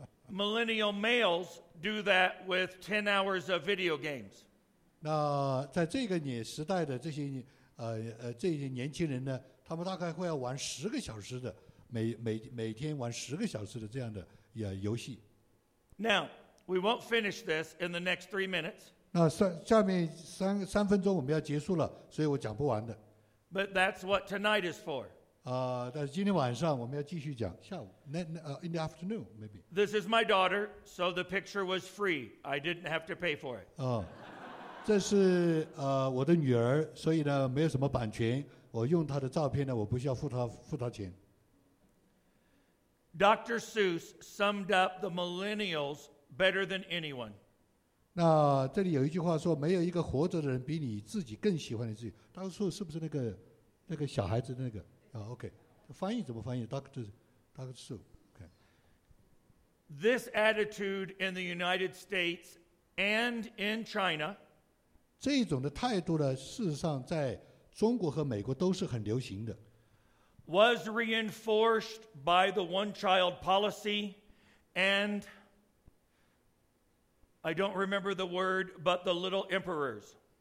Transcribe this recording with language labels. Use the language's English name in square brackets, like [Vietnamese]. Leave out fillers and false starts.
[English] Millennial males do that with 10 hours of video games. [Chinese] 那在这个年时代的这些这些年轻人呢，他们大概会要玩十个小时的每天玩十个小时的这样的游戏。 [English] Now we won't finish this in the next 3 minutes. [Chinese] 那下面三分钟我们要结束了，所以我讲不完的。 [English] But that's what tonight is for. [Chinese] 但是今天晚上我们要继续讲下午 [English] in the afternoon maybe. This is my daughter, so the picture was free. I didn't have to pay for it. [Chinese] 这是我的女儿，所以呢没有什么版权，我用她的照片呢，我不需要付她钱。 [English] Dr. Seuss summed up the millennials better than anyone. [Chinese] 那这里有一句话说，没有一个活着的人比你自己更喜欢你自己。当初是不是那个小孩子的那个？ Okay. 翻译怎么翻译 Dr. Sue、okay. [English] This attitude in the United States and in China [Chinese] 这种的态度呢，事实上在中国和美国都是很流行的 [English] was reinforced by the one-child policy and I don't remember the word but the little emperors